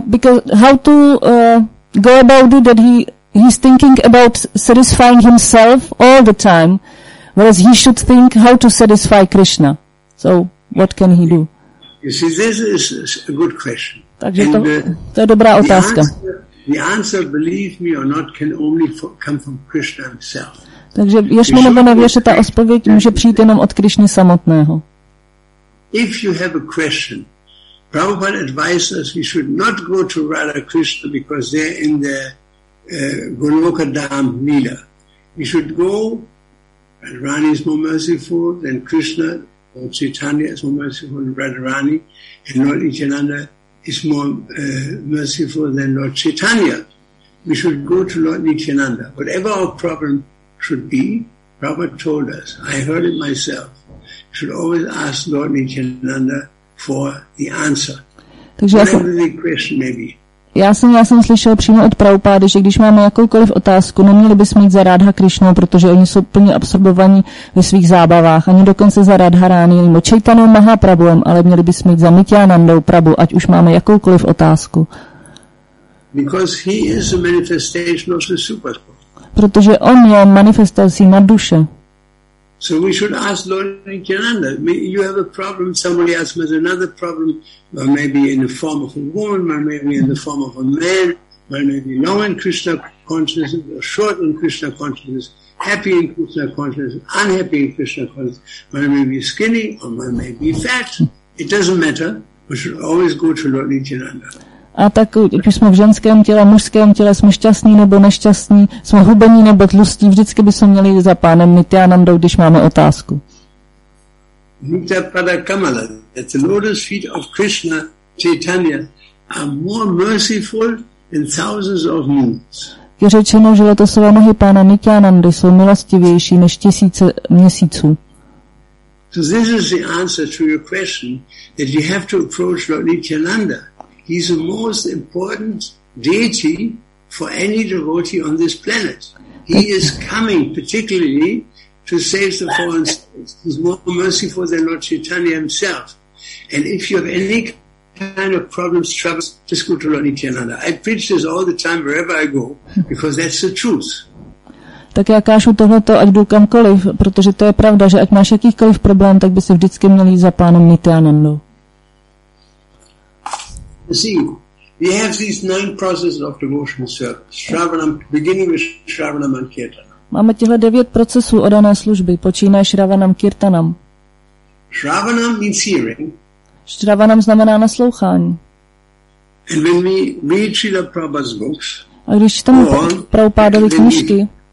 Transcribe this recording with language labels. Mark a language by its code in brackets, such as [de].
[en] Because how to go about it? That he's thinking about satisfying himself all the time, whereas he should think how to satisfy Krishna. So, what can he do? You see, this is a good question. [cs] Takže to, to je dobrá otázka. [en] The answer, believe me or not, can only come from Krishna himself. [cs] Takže věř mi nebo nevěř, ta odpověď může přijít jenom od Krishny samotného. [en] If you have a question, Prabhupada advises us we should not go to Radha Krishna because they're in the Goloka Dham Leela. We should go, and Rani is more merciful than Krishna. Lord Chaitanya is more merciful than Radharani, and Lord Nityananda is more merciful than Lord Chaitanya. We should go to Lord Nityananda. Whatever our problem should be, Prabhupada told us, I heard it myself, we should always ask Lord Nityananda for the answer. [cs] Takže [en] whatever the question may be. [cs] Já jsem slyšel přímo od Prabhupády, že když máme jakoukoliv otázku, neměli bychom jít za Radha Krishna, protože oni jsou plně absorbovaní ve svých zábavách, ani dokonce za Radharani, nebo Chaitanou Mahaprabhuem, ale měli bychom jít za Nityanandou Prabhu, ať už máme jakoukoliv otázku. [en] Because he is a manifestation of the super soul. [cs] Protože on je manifestací na duše. [en] So we should ask Lord Nityananda, you have a problem, somebody else has another problem, or maybe in the form of a woman, or maybe in the form of a man, or maybe low in Krishna consciousness, or short in Krishna consciousness, happy in Krishna consciousness, unhappy in Krishna consciousness, or maybe skinny, or maybe fat. It doesn't matter. We should always go to Lord Nityananda. [cs] A tak, když jsme v ženském těle, mužském těle, jsme šťastní nebo nešťastní, jsme hubení nebo tlustí, vždycky bychom měli za pánem Nityanandou, když máme otázku. [en] Nitya Pada Kamala, that the lotus feet of Krishna, Chaitanya, are more merciful than thousands of moons. [cs] Je řečeno, že lotosové nohy pána Nityanandy jsou milostivější než tisíce měsíců. [en] So this is the answer to your question, that you have to approach Lord Nityananda. He's the most important deity for any devotee on this planet. He is coming particularly to save the fallen souls. He's more merciful than Lord Chaitanya himself. And if you have any kind of problems, troubles, just go to Lord Nityananda. I preach this all the time wherever I go, because that's the truth. [cs] Tak já kážu tohleto, ať jdu kamkoliv, protože to je pravda, že ať máš jakýkoliv problém, tak by si vždycky měl jít za pánem Nityanandou. [en] See, we have these nine processes of devotional service. Shravanam, beginning with Shravanam and Kirtanam. [cs] Máme těhle devět procesů odané služby, počínaje Shravanam Kirtanam. [en] Shravanam means hearing. [cs] Shravanam znamená naslouchání. [en] And when we read Srila Prabhupada's books, [cs] a když čteme Prabhupádovy knížky,